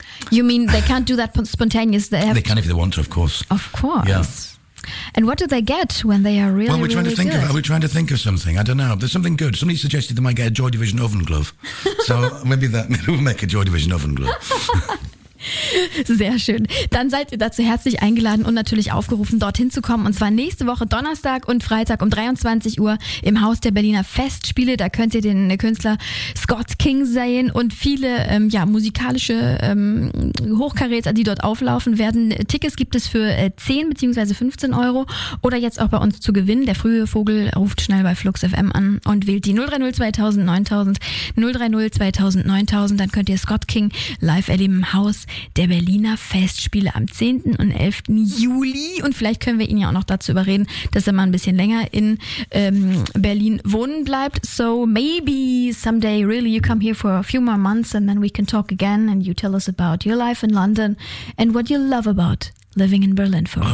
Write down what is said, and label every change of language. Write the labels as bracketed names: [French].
[English] You mean they can't do that spontaneously? They can if they want to, of course. Of course. Yeah. And what do they get when they are really, really good? Well, we're trying to think of something. I don't know. There's something good. Somebody suggested they might get a Joy Division oven glove. So maybe that will make a Joy Division oven glove. [German] Sehr schön. Dann seid ihr dazu herzlich eingeladen und natürlich aufgerufen, dorthin zu kommen. Und zwar nächste Woche Donnerstag und Freitag um 23 Uhr im Haus der Berliner Festspiele. Da könnt ihr den Künstler Scott King sehen und viele musikalische Hochkaräter, die dort auflaufen werden. Tickets gibt es für 10 bzw. 15 Euro oder jetzt auch bei uns zu gewinnen. Der frühe Vogel ruft schnell bei Flux FM an und wählt die 030 2000 9000. Dann könnt ihr Scott King live erleben im Haus der Berliner Festspiele am 10. und 11. Juli. Und vielleicht können wir ihn ja auch noch dazu überreden, dass er mal ein bisschen länger in Berlin wohnen bleibt. [English] So maybe someday, really, you come here for a few more months and then we can talk again and you tell us about your life in London and what you love about living in Berlin for a while.